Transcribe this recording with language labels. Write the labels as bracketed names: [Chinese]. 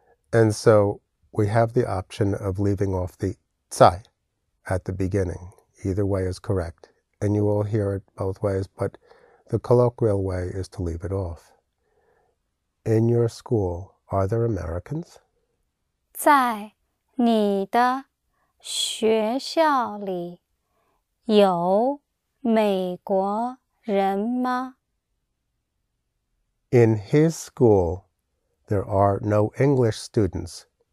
[English] And so we have the option of leaving off the 在 at the beginning. Either way is correct. And you will hear it both ways, but the colloquial way is to leave it off. In your school, are there Americans? [Chinese] 在你的 学校里有美国人吗? [English] In his school, there are no English students.